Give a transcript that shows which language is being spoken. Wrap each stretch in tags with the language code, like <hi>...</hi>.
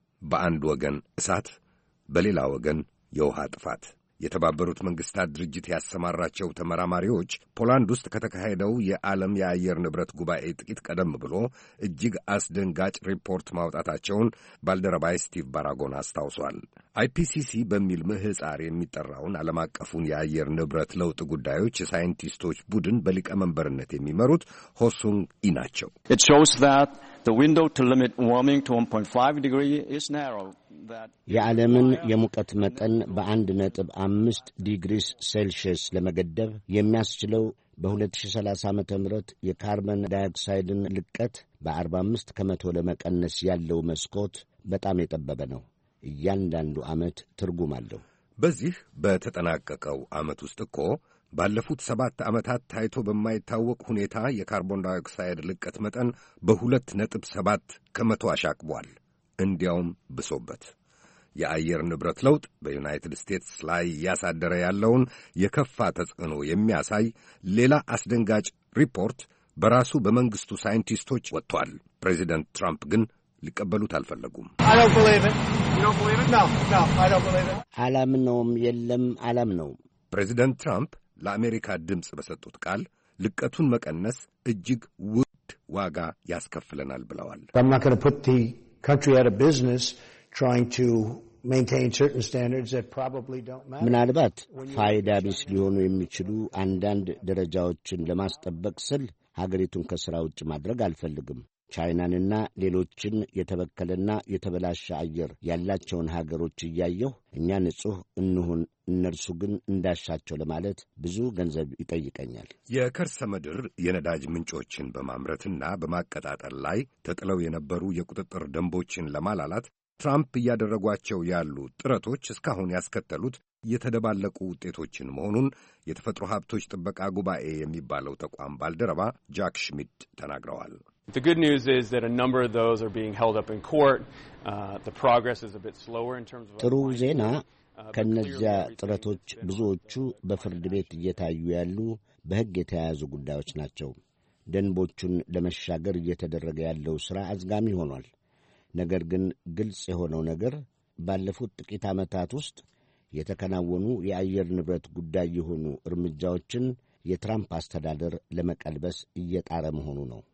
<am>በአንድ ወገን እሳት፣ በሌላ ወገን የውሃ ጥፋት። የተባበሩት መንግሥታት ድርጅት ያሰማራቸው ተመራማሪዎች ፖላንድ ውስጥ ከተካሄደው የዓለም የአየር ንብረት ጉባኤ ጥቂት ቀደም ብሎ እጅግ አስደንጋጭ ሪፖርት ማውጣታቸውን ባልደረባይ ስቲቭ ባራጎን አስታውሷል። አይፒሲሲ በሚል ምህጻር የሚጠራውን ዓለም አቀፉን የአየር ንብረት ለውጥ ጉዳዮች የሳይንቲስቶች ቡድን በሊቀመንበርነት የሚመሩት ሆሱንግ ኢ ናቸው።</am> <en>It shows that the window to limit warming to 1.5 degree is narrow.</en> <am>የዓለምን የሙቀት መጠን በ1.5 ዲግሪ ሴልሽየስ ለመገደብ የሚያስችለው በ2030 ዓ ም የካርበን ዳይኦክሳይድን ልቀት በ45% ለመቀነስ ያለው መስኮት በጣም የጠበበ ነው። እያንዳንዱ ዓመት ትርጉም አለው። በዚህ በተጠናቀቀው ዓመት ውስጥ እኮ ባለፉት 7 ዓመታት ታይቶ በማይታወቅ ሁኔታ የካርቦን ዳይኦክሳይድ ልቀት መጠን በ2.7% አሻቅቧል። እንዲያውም ብሶበት። የአየር ንብረት ለውጥ በዩናይትድ ስቴትስ ላይ እያሳደረ ያለውን የከፋ ተጽዕኖ የሚያሳይ ሌላ አስደንጋጭ ሪፖርት በራሱ በመንግሥቱ ሳይንቲስቶች ወጥቷል። ፕሬዚደንት ትራምፕ ግን ሊቀበሉት አልፈለጉም። አላምነውም። የለም፣ አላምነውም። ፕሬዚደንት ትራምፕ ለአሜሪካ ድምፅ በሰጡት ቃል ልቀቱን መቀነስ እጅግ ውድ ዋጋ ያስከፍለናል ብለዋል።</am> <en>I'm not going to put the country out of business trying to maintain certain standards that probably don't matter.</en> <am>ምናልባት ፋይዳ ቢስ ሊሆኑ የሚችሉ አንዳንድ ደረጃዎችን ለማስጠበቅ ስል ሀገሪቱን ከስራ ውጭ ማድረግ አልፈልግም። ቻይናንና ሌሎችን የተበከለና የተበላሸ አየር ያላቸውን ሀገሮች እያየሁ እኛ ንጹህ እንሁን እነርሱ ግን እንዳሻቸው ለማለት ብዙ ገንዘብ ይጠይቀኛል። የከርሰ ምድር የነዳጅ ምንጮችን በማምረትና በማቀጣጠል ላይ ተጥለው የነበሩ የቁጥጥር ደንቦችን ለማላላት ትራምፕ እያደረጓቸው ያሉ ጥረቶች እስካሁን ያስከተሉት የተደባለቁ ውጤቶችን መሆኑን የተፈጥሮ ሀብቶች ጥበቃ ጉባኤ የሚባለው ተቋም ባልደረባ ጃክ ሽሚድ ተናግረዋል።</am> <en>The good news is that a number of those are being held up in court. The progress is a bit slower in terms of</en> <am>ጥሩ ዜና ከነዚያ ጥረቶች ብዙዎቹ በፍርድ ቤት እየታዩ ያሉ በሕግ የተያዙ ጉዳዮች ናቸው። ደንቦቹን ለመሻገር እየተደረገ ያለው ሥራ አዝጋሚ ሆኗል። ነገር ግን ግልጽ የሆነው ነገር ባለፉት ጥቂት ዓመታት ውስጥ የተከናወኑ የአየር ንብረት ጉዳይ የሆኑ እርምጃዎችን የትራምፕ አስተዳደር ለመቀልበስ እየጣረ መሆኑ ነው።</am>